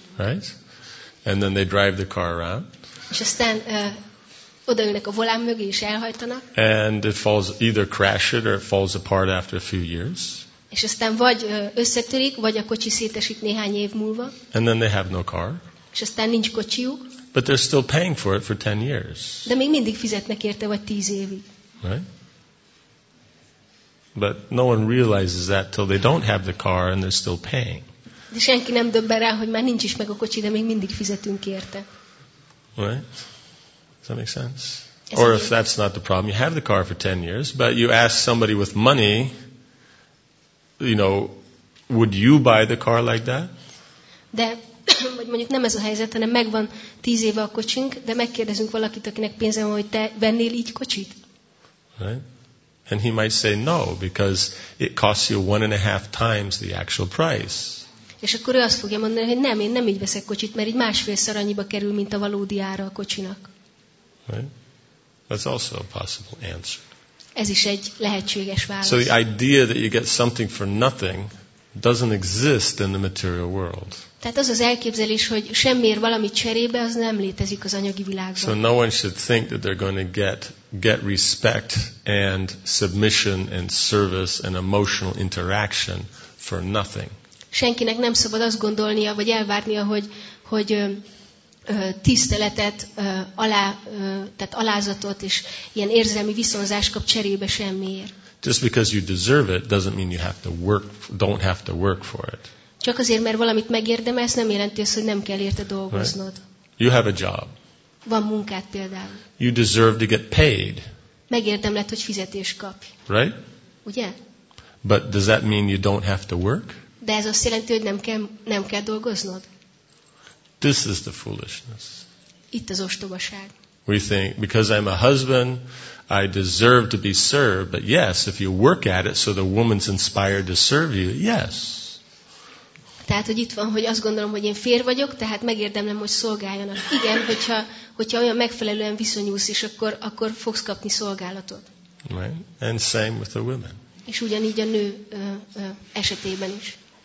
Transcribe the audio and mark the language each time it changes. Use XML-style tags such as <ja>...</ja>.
<en>Right? And then they drive the car around.</en> <hu>És aztán Odaülnek a volán mögé és elhajtanak.</hu> <en>And it falls either crashes or it falls apart after a few years.</en> <hu>És aztán vagy összetörik, vagy a kocsi szétesik néhány év múlva.</hu> <en>And then they have no car.</en> <hu>És aztán nincs kocsiuk.</hu> <en>But they're still paying for it for 10 years.</en> <hu>De még mindig fizetnek érte vagy 10 évig.</hu> <en>Right? But no one realizes that till they don't have the car and they're still paying.</en> <hu>De senki nem döbben rá, hogy már nincs is meg a kocsi, de még mindig fizetünk érte.</hu> <en>Right? Does that make sense? Or if that's not the problem, you have the car for 10 years, but you ask somebody with money, you know, would you buy the car like that?</en> <hu>De vagy mondjuk nem ez a helyzet, hanem megvan 10 éve a kocsink, de megkérdezünk valakit, akinek pénze van, hogy te vennél így kocsit?</hu> <en>Right? And he might say no, because it costs you 1.5 times the actual price.</en> <hu>És akkor ő azt fogja mondani, hogy nem, én nem így veszek kocsit, mert így másfélszer annyiba kerül, mint a valódi ára a kocsinak.</hu> <en>Right? That's also a possible answer.</en> <hu>Ez is egy lehetséges válasz.</hu> <en>So the idea that you get something for nothing doesn't exist in the material world.</en> <hu>Tehát az az elképzelés, hogy semmiért valami cserébe, az nem létezik az anyagi világban.</hu> <en>So no one should think that they're going to get respect and submission and service and emotional interaction for nothing.</en> <hu>Senkinek nem szabad azt gondolnia, vagy elvárnia, hogy tiszteletet, tehát alázatot és ilyen érzelmi viszonzást kap cserébe semmiért.</hu> <en>Just because you deserve it doesn't mean you have to work, don't have to work for it.</en> <hu>Csak azért, mert valamit megérdemelsz, nem jelenti azt, hogy nem kell érte dolgoznod.</hu> <en>Right? You have a job.</en> <hu>Van munkád például.</hu> <en>You deserve to get paid.</en> <hu>Megérdemled, hogy fizetés kapj.</hu> <en>Right?</en> <hu>Ugye?</hu> <en>But does that mean you don't have to work?</en> <hu>De ez azt jelenti, hogy nem kell dolgoznod.</hu> <en>This is the foolishness.</en> <hu>Itt az ostobaság.</hu> <en>We think, because I'm a husband, I deserve to be served. But yes, if you work at it so the woman's inspired to serve you, yes.</en> <hu>Tehát, hogy itt van, hogy azt gondolom, hogy én fér vagyok, tehát megérdemlem, hogy szolgáljanak. Igen, hogyha olyan megfelelően viszonyulsz, és akkor fogsz kapni szolgálatot.</hu> <en>Right. And same with the women.</en> <hu>És ugyanígy a nő esetében is.</hu>